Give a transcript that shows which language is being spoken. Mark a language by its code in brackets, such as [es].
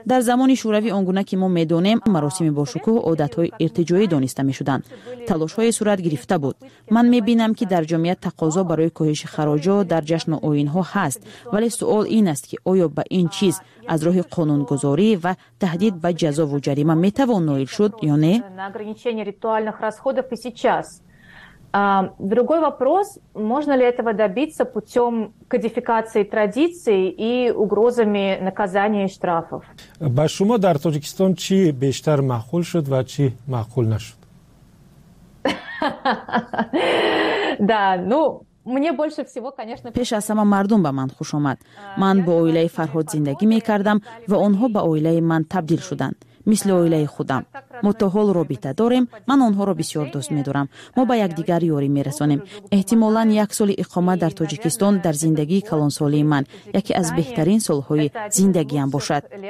[fa] در زمان شوروی آنگونه که ما میدونیم، مراسم باشکوه عادت های ارتجایی دانسته میشدند. تلاش های صورت گرفته بود. من میبینم که در جامعه تقاضا برای کاهش خراج ها در جشن آیین ها هست، ولی سوال این است که آیا به این چیز از راه قانون گذاری و تهدید به جزا و جریمه میتوان نایل شد یا نه؟ [ru] на ограничение ритуальных расходов и сейчас. Другой вопрос, можно ли этого добиться путем кодификации традиций и угрозами наказания и штрафов? [tg] Ба шумо дар Тоҷикистон чи бештар маҳқул шуд ва чи маҳқул нашуд? [ru] Да, ну мне больше всего, конечно, [tg] пеш аз ҳама мардум ба ман хуш омад. Ман бо оилаи Фарҳод зиндагӣ мекардам ва онҳо ба оилаи ман табдил шуданд. Мисли оилаи худам. Мо то ҳол робита дорем, ман онҳоро бисёр дӯст медорам. Мо ба якдигар ёрӣ мерасонем. Эҳтимолан як соли иқомат дар Тоҷикистон дар зиндагии калонсолии ман яке аз беҳтарин солҳои зиндагиам бошад.